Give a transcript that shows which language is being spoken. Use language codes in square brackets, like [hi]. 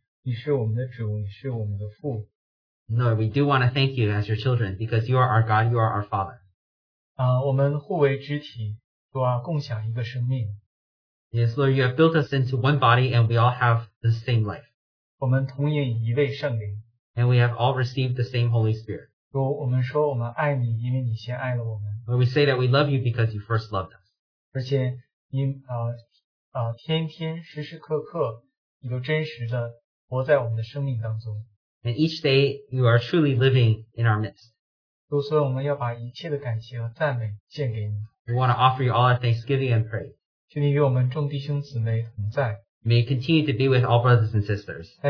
[zh] 主孩子们何等的感谢赞美你，你是我们的神，你是我们的主，你是我们的父。 [en] Lord, we do want to thank you as your children because you are our God, you are our Father. [zh] 我们互为肢体。 [en] Yes, Lord, you have built us into one body and we all have the same life. [zh] 我们同饮一位圣灵, [en] and we have all received the same Holy Spirit. [zh] 我们说我们爱你,因为你先爱了我们, [en] Lord, we say that we love you because you first loved us. [zh] 而且你, 天天时时刻刻,你都真实地活在我们的生命当中, [en] and each day you are truly living in our midst. [zh] 所以我们要把一切的感谢和赞美献给你。 [en] We want to offer you all our thanksgiving and praise. May you continue to be with all brothers and sisters.